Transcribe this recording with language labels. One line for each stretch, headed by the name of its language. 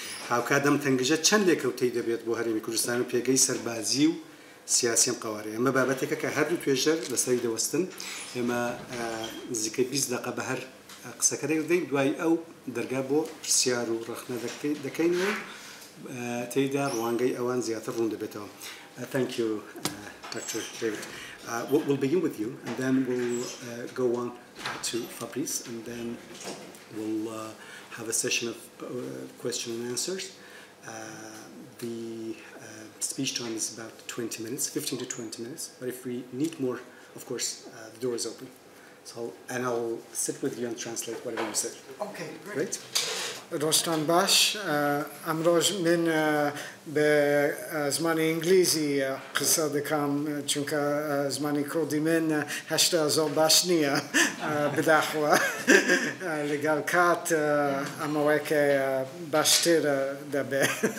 Central Kurdish: هاوکاردەم تەنگژە چەند لێکەوتەی دەبێت بۆ هەرێمی کوردستان و پێگەی سەربازی و سیاسی ئەم قەوارەیە. ئەمە بابەتێکە کە هەردوو توێژەر لەسەری دەوەستن. ئێمە نزیکەی 20 دەقە بە هەر قسەکە دەیکەین، دوای ئەو دەرگا بۆ پرسیار و ڕەخنە دەکەینەوە، تێیدا ڕوانگەی ئەوان زیاتر ڕوون دەبێتەوە.
English: Thank you, Dr. David. We'll begin with you, and then we'll go on to Fabrice, and then we'll have a session of question and answers. The speech time is about 20 minutes, 15 to 20 minutes, but if we need more, of course, the door is open. So, and I'll sit with you and translate whatever you said. Okay, great.
Central Kurdish: دۆستان باش. ئەمڕۆژ من بە زمانی ئینگلیزی قسە دەکەم چونکە زمانی کوردی من هەشتا زۆر باش نییە بداخوە لەگەڵ کات ئەمەوەیکە باشتر دەبێت.